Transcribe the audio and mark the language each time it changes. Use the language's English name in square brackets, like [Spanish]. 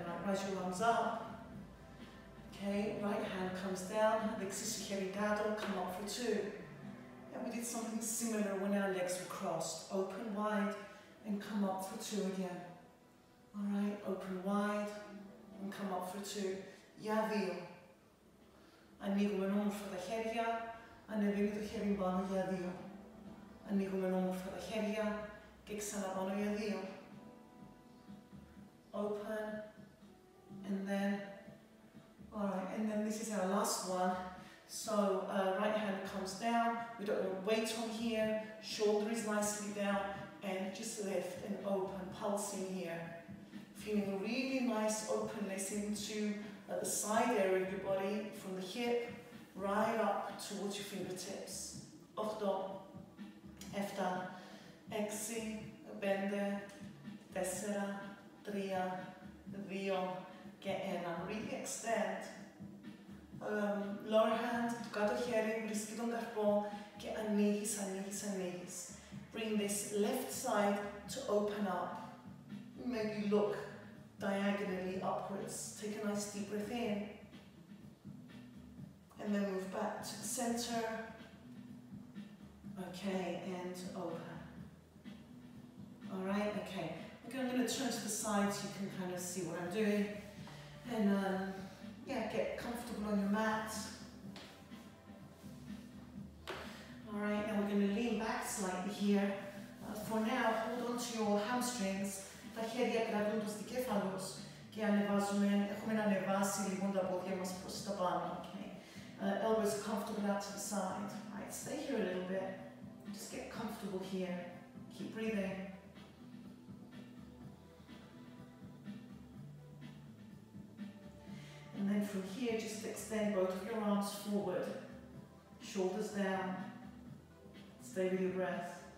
[English] Right, raise your arms up. Okay, right hand comes down. Come up for two. Yeah, we did something similar when our legs were crossed. Open wide and come up for two again. Alright, open wide and come up for two. Yavio. [Greek] Ανοίγουμε όμορφα τα χέρια, ανεβαίνει το χέρι πάνω για δύο. Ανοίγουμε όμορφα τα χέρια και ξαναπάνω για δύο. [English] Open, and then, alright, and then this is our last one. So, right hand comes down, we don't want weight on here, shoulder is nicely down, and just lift and open, pulsing here. Feeling a really nice openness into the side area of your body, from the hip, right up towards your fingertips. 8, 7, 6, bende, 4, 3, 2, και 1. Really extend. Lower hand, [Greek] το κάτω χέρι, βρίσκει τον καρπό και ανοίγεις, ανοίγεις, ανοίγεις. [English] Bring this left side to open up. Maybe look diagonally upwards. Take a nice deep breath in. And then move back to the center. Okay, and over. All right, okay. Okay, I'm gonna turn to the side so you can kind of see what I'm doing. And yeah, get comfortable on your mat. All right, now we're gonna lean back slightly here. For now, hold on to your hamstrings. [Greek] Τα χέρια κρατούνται στο κεφάλος και ανεβάζουμε, έχουμε να ανεβάσει λίγο τα πόδια μας προς τα πάνω. [English] Okay. Elbows are comfortable out to the side. Right, stay here a little bit. Just get comfortable here. Keep breathing. And then from here, just extend both of your arms forward. Shoulders down. Stay with your breath.